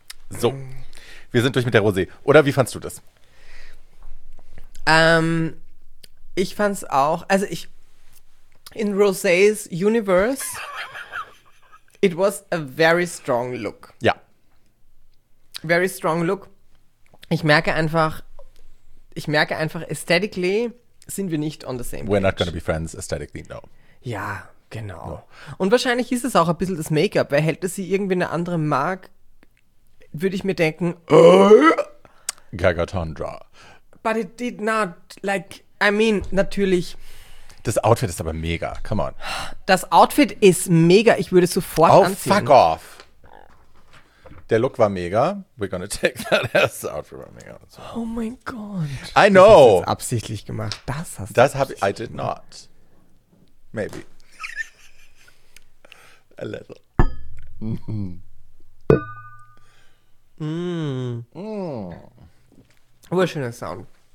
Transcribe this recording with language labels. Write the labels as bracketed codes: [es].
[de] So, wir sind durch mit der Rosé. Oder wie fandst du das? Ich fand's auch, also ich, in Rosés Universe, [en] it was a very strong look. [de] Ja. [en] Very strong look. [de] Ich merke einfach, aesthetically sind wir nicht [en] on the same page. We're not gonna be friends aesthetically, no. [de] Ja, genau. No. Und wahrscheinlich ist es auch ein bisschen das Make-up, weil hält es sie irgendwie eine andere Mark, würde ich mir denken, Gaga Tundra. [en] But it did not, like, I mean, natürlich. [de] Das Outfit ist aber mega, [en] come on. [de] Das Outfit ist mega, ich würde sofort anziehen. [en] Oh, fuck off. [de] Der Look war mega. [en] We're gonna take that as the outfit [de] war mega. So. Oh mein Gott. [en] I know. [de] Das hast du absichtlich gemacht. Das hast du das hab ich, [en] I did not. Maybe. A little. Mmm. [de] Oh, schöner Sound.